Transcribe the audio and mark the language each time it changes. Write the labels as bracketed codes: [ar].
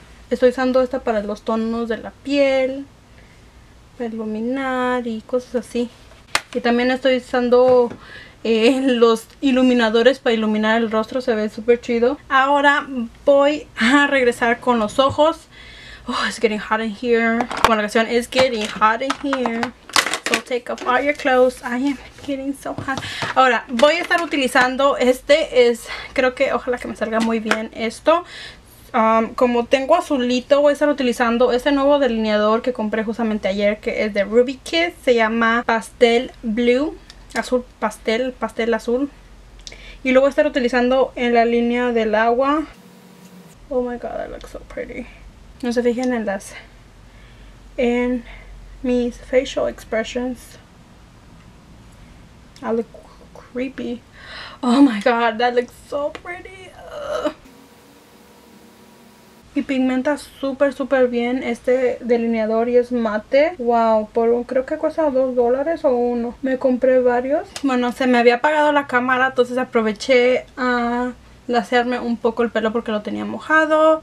[es] Estoy usando esta para los tonos de la piel, para iluminar y cosas así. Y también estoy usando los iluminadores para iluminar el rostro. Se ve súper chido. Ahora voy a regresar con los ojos. [en] Oh, it's getting hot in here. [es] Bueno, la canción, [en] it's getting hot in here. So take off all your clothes. I am getting so hot. [es] Ahora voy a estar utilizando este. Es, creo que, ojalá que me salga muy bien esto. Como tengo azulito, voy a estar utilizando este nuevo delineador que compré justamente ayer, que es de Ruby Kiss. Se llama Pastel Blue. Azul pastel, pastel azul. Y luego voy a estar utilizando en la línea del agua. [en] Oh my god, that looks so pretty. [es] No se fijen en las, en mis [en] facial expressions. I look creepy. Oh my god, that looks so pretty. [es] Y pigmenta súper súper bien este delineador y es mate. Wow, por un, creo que cuesta $2 o uno. Me compré varios. Bueno, se me había apagado la cámara, entonces aproveché a lasearme un poco el pelo porque lo tenía mojado.